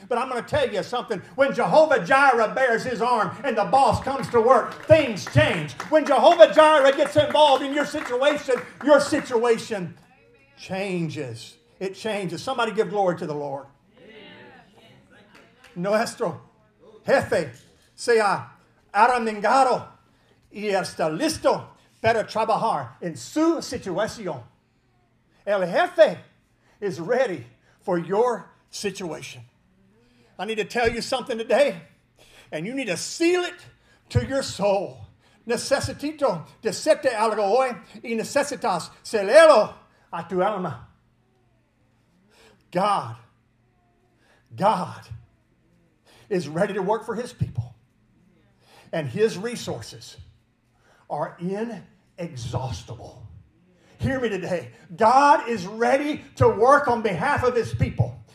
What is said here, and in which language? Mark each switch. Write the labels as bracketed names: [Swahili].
[English] But I'm going to tell you something. When Jehovah Jireh bears his arm and the boss comes to work, things change. When Jehovah Jireh gets involved in your situation changes. It changes. Somebody give glory to the Lord. [Spanish] Nuestro jefe se ha arremangado y está listo para trabajar en su situación. [English] El jefe is ready for your situation. I need to tell you something today, and you need to seal it to your soul. [Spanish] Necesito decirte algo hoy y necesitas sellarlo a tu alma. [English] God is ready to work for his people. And his resources are inexhaustible. Hear me today. God is ready to work on behalf of his people.